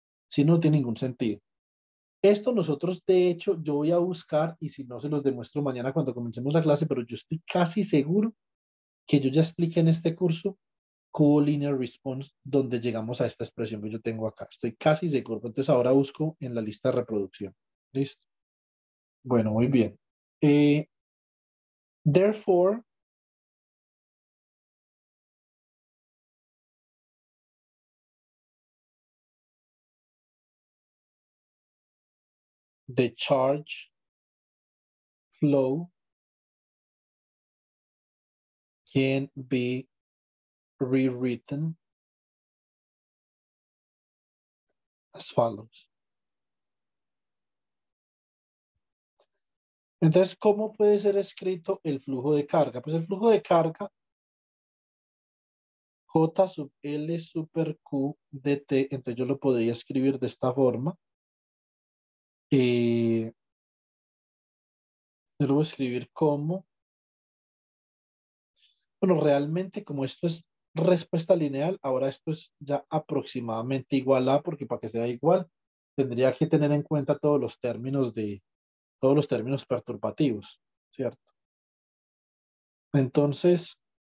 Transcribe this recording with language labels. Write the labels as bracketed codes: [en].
[es] Si no, no tiene ningún sentido. Esto nosotros, de hecho, yo voy a buscar, y si no se los demuestro mañana cuando comencemos la clase, pero yo estoy casi seguro que yo ya expliqué en este curso co-linear response, donde llegamos a esta expresión que yo tengo acá. Estoy casi seguro. Entonces ahora busco en la lista de reproducción. ¿Listo? Bueno, muy bien. [en] Therefore, the charge flow can be rewritten as follows. [es] Entonces, ¿cómo puede ser escrito el flujo de carga? Pues el flujo de carga, J sub L super Q dt, entonces yo lo podría escribir de esta forma. Yo lo voy a escribir como, bueno, realmente como esto es respuesta lineal, ahora esto es ya aproximadamente igual a, porque para que sea igual tendría que tener en cuenta todos los términos de todos los términos perturbativos, ¿cierto? Entonces